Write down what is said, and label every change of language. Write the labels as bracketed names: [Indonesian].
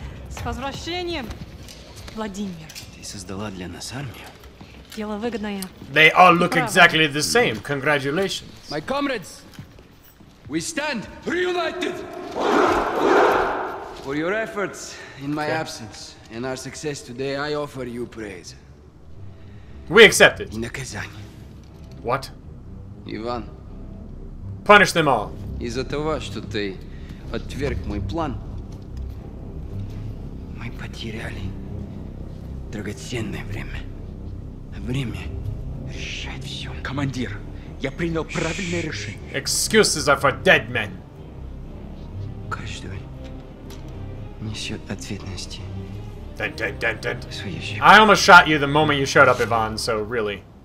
[Russian] С возвращением, Владимир. Ты создала для нас армию. Дело выгодное. [English] They all look exactly the same. Congratulations. My comrades, we stand reunited for your efforts in my absence and our success today. I offer you praise. We accept it. In a Kazan. What? Ivan. Punish them all. [Russian] Из-за того, что ты отверг мой план, мы потеряли драгоценное время. Время решает все. Командир. Я принял правильное решение. [English] Excuses are for dead men. [Russian] Каждый несет ответственности. [English] I almost shot you the moment you showed up, Ivan, so really.